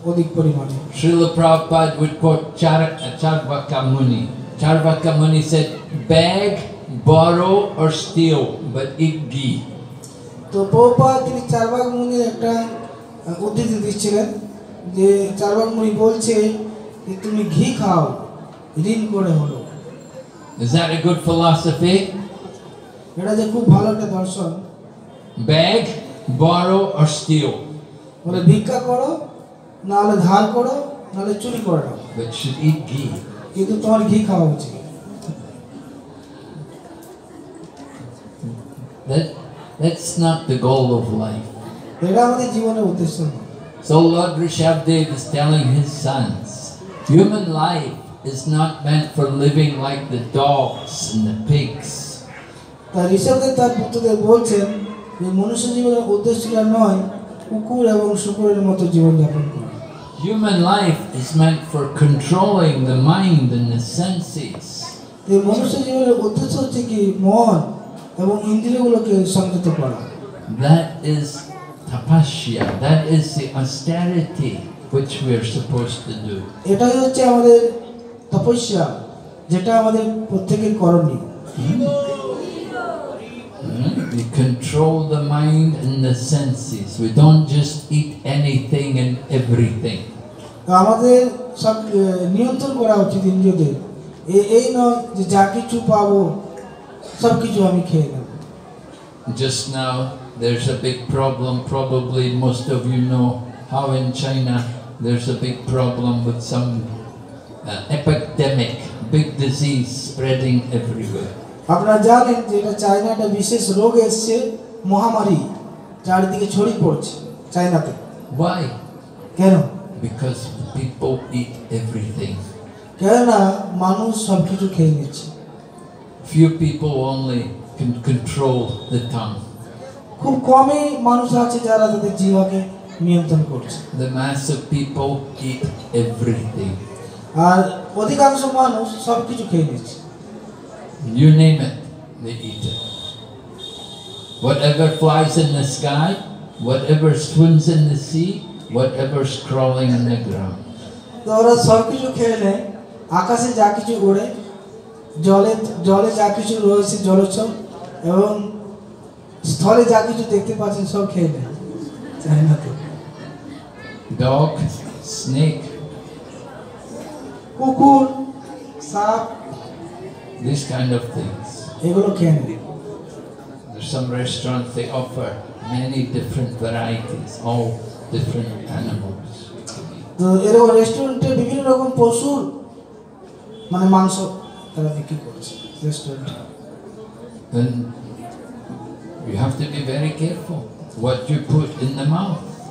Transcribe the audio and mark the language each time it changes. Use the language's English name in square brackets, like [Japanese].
[English] Srila Prabhupada would quote Charvaka Muni. Charvaka Muni said, beg, borrow or steal, but eat ghee. So Prabhupada said [Bangla] Charvaka Muni যে চারবার মুনি বলছে যে তুমি ঘি খাও ঋণ করে হলো [English] Is that a good philosophy? [Bangla] এটা যে খুব ভালো একটা দর্শন [English] Beg, borrow or steal. [Bangla] মানে ভিক্ষা করো না হলে ধার করো না হলে চুরি করে নাও [English] But should eat ghee. [Bangla] কিন্তু তোমার ঘি খাওয়া উচিত [English] That's not the goal of life. [Bangla] এটা আমাদের জীবনের উদ্দেশ্য না [English] So Lord Rishabh Dev is telling his sons, human life is not meant for living like the dogs and the pigs. [Bangla] তার হিসাবে তার পুত্রদের বলছেন যে মনুষ্য জীবনের উদ্দেশ্য আর নয় কুকুর এবং শূকরের মতো জীবন যাপন করা [English] Human life is meant for controlling the mind and the senses. [Bangla] এই মনুষ্য জীবনের উদ্দেশ্য হচ্ছে কি মন এবং ইন্দ্রিয়গুলোকে সংযত করা [English] That is tapasya. That is the austerity which we are supposed to do. [Bangla] এটাই হচ্ছে আমাদের তপস্যা যেটা আমাদের প্রত্যেকের করণীয় [English] We control the mind and the senses. We don't just eat anything and everything. [Bangla] আমাদের সব নিয়ন্ত্রণ করা উচিত ইন্দ্রিয়দের এই নয় যে যা কিছু পাবো সব কিছু আমি খেয়ে নেব [English] Just now there's a big problem probably most of you know how in China there's a big problem with some epidemic big disease spreading everywhere [Bangla] আপনারা জানেন যে এটা চায়না একটা বিশেষ রোগ এসেছে মহামারী চারিদিকে ছড়িয়ে পড়ছে চায়নাতে [English] why [Bangla] কেন [English] because people eat everything [Bangla] কারণ মানুষ সবকিছু খেয়ে নিচ্ছে [English] few people only can control the tongue [Bangla] খুব কমই মানুষ আছে যারা তাদের জিহ্বাকে নিয়ন্ত্রণ করছে [English] the mass of people eat everything [Bangla] আর অধিকাংশ মানুষ সবকিছু খেয়ে নিচ্ছে [English] You name it, they eat it. Whatever flies in the sky, whatever swims in the sea, whatever's crawling on the ground. [Bangla] ওরা সব কিছু খেয়ে নেয় আকাশে যা কিছু উড়ে জলে জলে যা কিছু রয়েছে জলচর এবং স্থলে যা কিছু দেখতে পাচ্ছেন সব খেয়ে নেয় চাই না তো [English] dog snake [Bangla] কুকুর সাপ [English] These kind of things. [Bangla] এগুলো কেন [English] There's some restaurants they offer many different varieties, all different animals. [Bangla] তো এরকম রেস্টুরেন্টে বিভিন্ন রকম পশুর মানে মাংস তারা বিক্রি করছে restaurant [English] Then you have to be very careful what you put in the mouth.